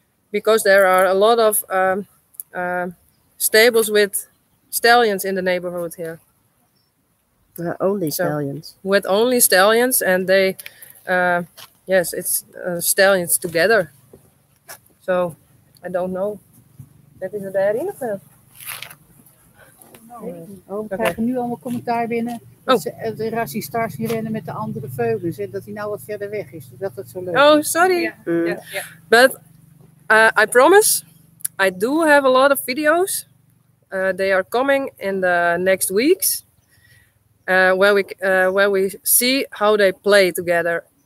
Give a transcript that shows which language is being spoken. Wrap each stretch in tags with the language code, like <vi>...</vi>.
<en>Because there are a lot of stables with stallions in the neighborhood here. Only stallions. So, with only stallions, and they, yes, it's stallions together. So, I don't know.</en> <nl>That is het daarin of wel? We krijgen nu allemaal commentaar binnen. Dat ze de Rassie Star zien rennen met de andere veulens en dat hij nou wat verder weg is. Dat het zo leuk. Oh, sorry.</nl> <en>Yeah. Yeah. But I promise, I do have a lot of videos. They are coming in the next weeks. Where we see how they play together.</en>